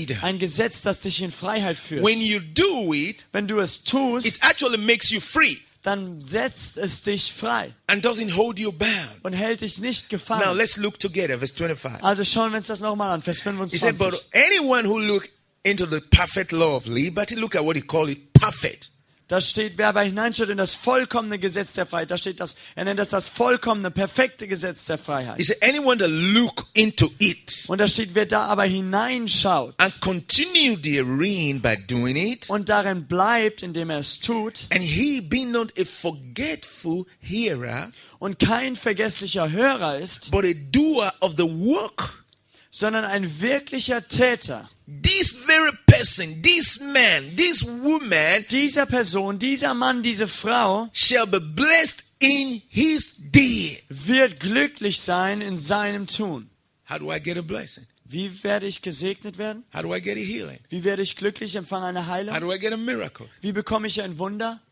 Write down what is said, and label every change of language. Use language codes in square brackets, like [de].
[de] Ein Gesetz, das dich in Freiheit führt. Wenn du es tust, [en] it actually makes you free. [de] Dann setzt es dich frei. [en] And doesn't hold you bound. [de] Und hält dich nicht gefangen. [en] Now let's look together, verse 25. [de] Also schauen wir uns das nochmal an, Vers 25. [en] He said, but anyone who look into the perfect law of liberty, look at what he called it, perfect. [de] Da steht, wer aber hineinschaut in das vollkommene Gesetz der Freiheit. Da steht das, er nennt das das vollkommene, perfekte Gesetz der Freiheit. [en] He said, anyone that look into it. [de] Und da steht, wer da aber hineinschaut. [en] And continue therein by doing it. [de] Und darin bleibt, indem er es tut. [en] And he be not a forgetful hearer. [de] Und kein vergesslicher Hörer ist. [en] But a doer of the work. [de] Sondern ein wirklicher Täter. [en] This very person, this man, this woman, [de] dieser Person, dieser Mann, diese Frau, [en] shall be blessed in his deed. [de] Wird glücklich sein in seinem Tun. [en] How do I get a blessing? [de] Wie werde ich gesegnet werden? [en] How do I get a healing? [de] Wie werde ich glücklich empfangen eine Heilung? [en] How do I get a miracle? [de] Wie bekomme ich ein Wunder?